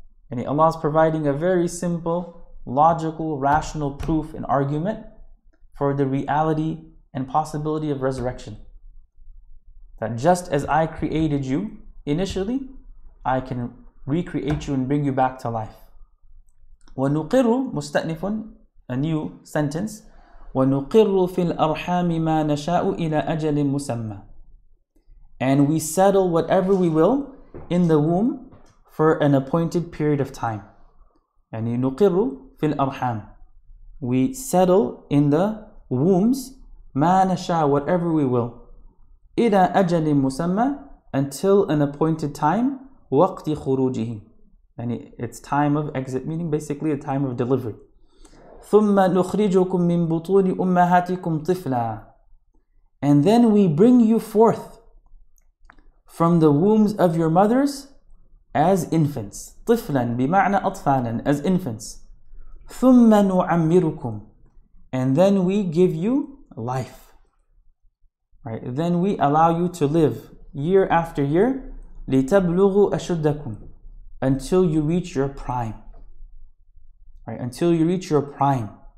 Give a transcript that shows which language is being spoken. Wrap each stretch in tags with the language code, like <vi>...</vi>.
<en>And Allah is providing a very simple, logical, rational proof and argument for the reality and possibility of resurrection. That just as I created you initially, I can recreate you and bring you back to life.</en> <ar>وَنُقِرُّ مُسْتَأْنِفٌ,</ar> <en>a new sentence.</en> <ar>ونقر في الأرحام ما نشاء إلى أجل مسمى.</ar> <en>And we settle whatever we will in the womb for an appointed period of time.</en> <ar>يعني نقر في الأرحام.</ar> <en>We settle in the wombs</en> <ar>ما نشاء,</ar> <en>whatever we will.</en> <ar>إلى أجل مسمى,</ar> <en>until an appointed time,</en> <ar>وقت خروجه.</ar> <en>يعني it's time of exit, meaning basically a time of delivery.</en> <ar>ثم نخرجكم من بطون أمهاتكم طفلا.</ar> <en>And then we bring you forth from the wombs of your mothers as infants.</en> <ar>طفلا بمعنى أطفالا,</ar> <en>as infants.</en> <ar>ثم نعمركم.</ar> <en>And then we give you life. Right? Then we allow you to live year after year.</en> <ar>لتبلغوا أشدكم.</ar> <en>Until you reach your prime. Right, until you reach your prime.</en>